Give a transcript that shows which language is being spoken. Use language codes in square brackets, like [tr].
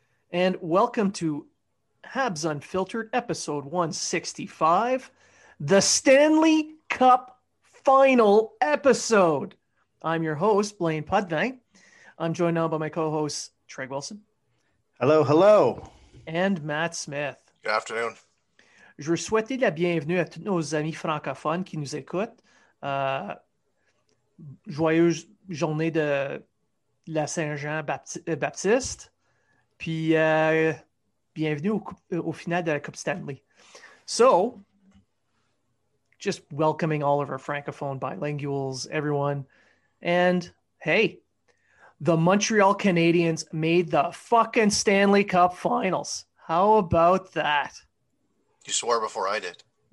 [en] And welcome to Habs Unfiltered, episode 165, the Stanley Cup final episode. I'm your host, Blaine Putney. I'm joined now by my co-host, Treg Wilson. Hello, hello. And Matt Smith. Good afternoon. [fr] Je vous souhaite la bienvenue à tous nos amis francophones qui nous écoutent. Joyeuse journée de la Saint-Jean Baptiste. Puis, bienvenue au final de la Coupe Stanley. [en] So, just welcoming all of our francophone bilinguals, everyone. And, hey, the Montreal Canadiens made the fucking Stanley Cup Finals. How about that? You swore before I did.